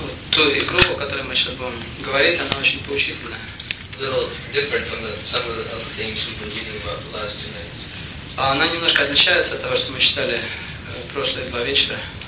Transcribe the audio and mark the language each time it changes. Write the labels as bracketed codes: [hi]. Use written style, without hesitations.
[ru] Ту игру, о которой мы сейчас будем говорить, она очень поучительна. [en] A little different from some of the other things we've been reading about the last two nights. [ru] Она немножко отличается от того, что мы читали прошлые два вечера.